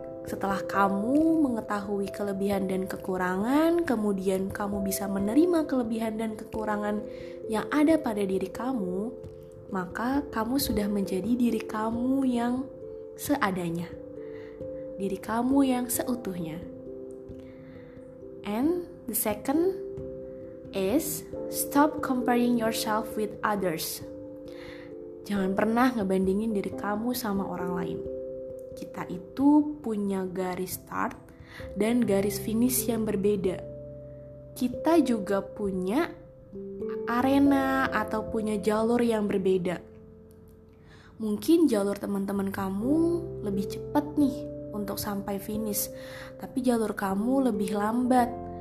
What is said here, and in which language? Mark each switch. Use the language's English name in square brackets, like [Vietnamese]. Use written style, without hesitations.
[Indonesian] Setelah kamu mengetahui kelebihan dan kekurangan, kemudian kamu bisa menerima kelebihan dan kekurangan yang ada pada diri kamu, maka kamu sudah menjadi diri kamu yang seadanya. Diri kamu yang seutuhnya. [English] And the second is stop comparing yourself with others. [Indonesian] Jangan pernah ngebandingin diri kamu sama orang lain. Kita itu punya garis start dan garis finish yang berbeda. Kita juga punya arena atau punya jalur yang berbeda. Mungkin jalur teman-teman kamu lebih cepat nih untuk sampai finish, tapi jalur kamu lebih lambat.